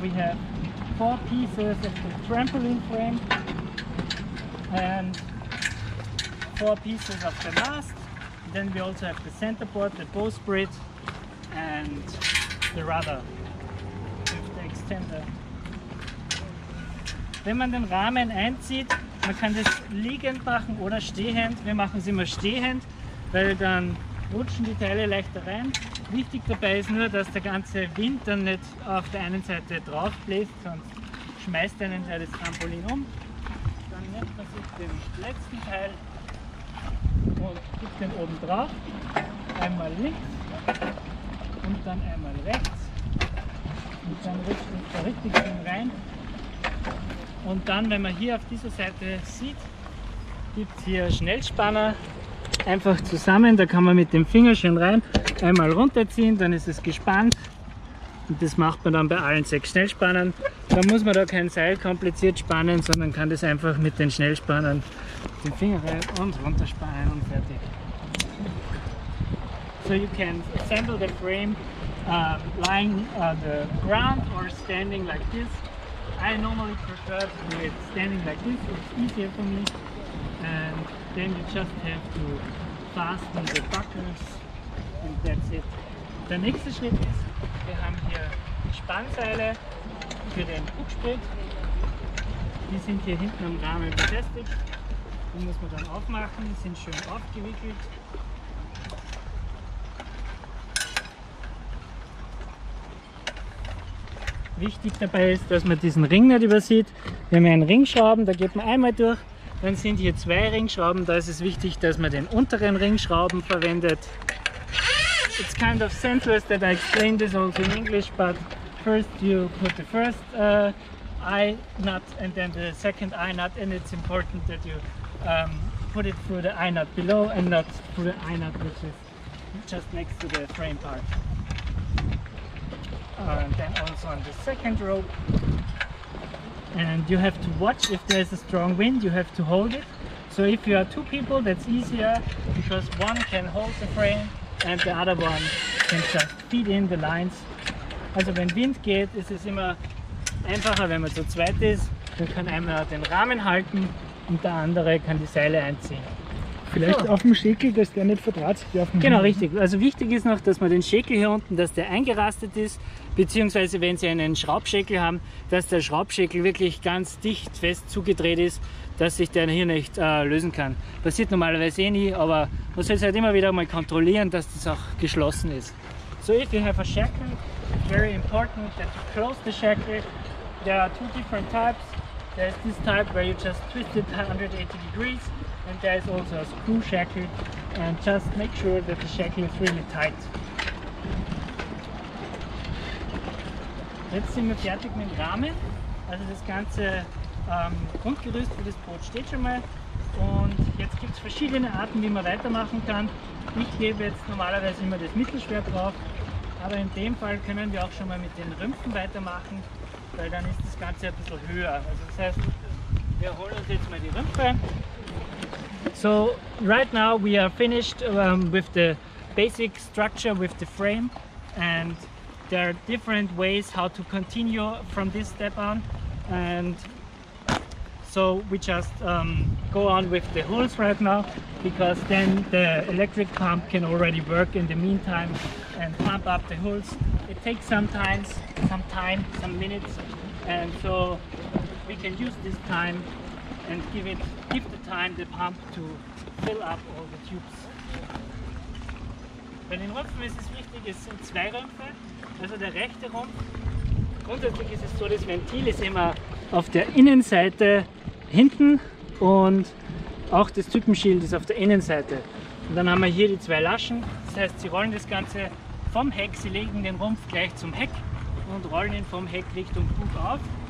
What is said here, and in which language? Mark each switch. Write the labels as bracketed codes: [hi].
[en] We have four pieces of the trampoline frame and four pieces of the mast. Then we also have the centerboard, the bowsprit and the rudder with the extender. [de] Wenn man den Rahmen einzieht, man kann das liegend machen oder stehend. Wir machen es immer stehend, weil dann rutschen die Teile leichter rein. Wichtig dabei ist nur, dass der ganze Wind dann nicht auf der einen Seite drauf bläst, sonst schmeißt einen der das Trampolin um. Dann nimmt man sich den letzten Teil und gibt den oben drauf. Einmal links und dann einmal rechts. Und dann rutscht man da richtig schön rein. Und dann, wenn man hier auf dieser Seite sieht, gibt es hier Schnellspanner, einfach zusammen, da kann man mit dem Finger schön rein, einmal runterziehen, dann ist es gespannt und das macht man dann bei allen sechs Schnellspannern. Da muss man da kein Seil kompliziert spannen, sondern kann das einfach mit den Schnellspannern den Finger rein und runterspannen und fertig. [en] So you can assemble the frame lying on the ground or standing like this. I normally prefer to do it standing like this, it's easier for me. And then you just have to fasten the buckles and that's it. [de] Der nächste Schritt ist, wir haben hier Spannseile für den Bugspriet. Die sind hier hinten am Rahmen befestigt. Die muss man dann aufmachen, die sind schön aufgewickelt. Wichtig dabei ist, dass man diesen Ring nicht übersieht. Wir haben einen Ringschrauben, da geht man einmal durch. Dann sind hier zwei Ringschrauben, da ist es wichtig, dass man den unteren Ringschrauben verwendet. [en] It's kind of senseless that I explain this also in English, but first you put the first eye nut and then the second eye nut, and it's important that you put it through the eye nut below and not through the eye nut, which is just next to the frame part. And then also on the second rope, and you have to watch if there is a strong wind, you have to hold it So if you are two people, that's easier because one can hold the frame and the other one can just feed in the lines. [de] Also wenn Wind geht, ist es immer einfacher, wenn man zu zweit ist. Dann kann einer den Rahmen halten und der andere kann die Seile einziehen. Vielleicht so. Auf dem Schäkel, dass der nicht verdratzt. Genau, Händen. Richtig. Also wichtig ist noch, dass man den Schäkel hier unten, dass der eingerastet ist, beziehungsweise wenn Sie einen Schraubschäkel haben, dass der Schraubschäkel wirklich ganz dicht fest zugedreht ist, dass sich der hier nicht lösen kann. Passiert normalerweise eh nie, aber man soll es halt immer wieder mal kontrollieren, dass das auch geschlossen ist. [en] So, if you have a shackle, it's very important that you close the shackle. There are two different types. There is this type where you just twist it 180 degrees. And there is also a screw shackle, and just make sure that the shackle is really tight. [de] Jetzt sind wir fertig mit dem Rahmen. Also das ganze Grundgerüst für das Boot steht schon mal. Und jetzt gibt es verschiedene Arten, wie man weitermachen kann. Ich gebe jetzt normalerweise immer das Mittelschwert drauf. Aber in dem Fall können wir auch schon mal mit den Rümpfen weitermachen, weil dann ist das Ganze ein bisschen höher. Also das heißt, wir holen uns jetzt mal die Rümpfe. [en] So right now we are finished with the basic structure with the frame, and there are different ways how to continue from this step on, and so we just go on with the holes right now, because then the electric pump can already work in the meantime and pump up the holes. It takes sometimes some time, some minutes, and so we can use this time and give the time the pump to fill up all the tubes. [de] Bei den Rümpfen ist es wichtig, es sind zwei Rümpfe, also der rechte Rumpf. Grundsätzlich ist es so, das Ventil ist immer auf der Innenseite hinten und auch das Typenschild ist auf der Innenseite. Und dann haben wir hier die zwei Laschen, das heißt, sie rollen das Ganze vom Heck, sie legen den Rumpf gleich zum Heck und rollen ihn vom Heck Richtung Bug auf.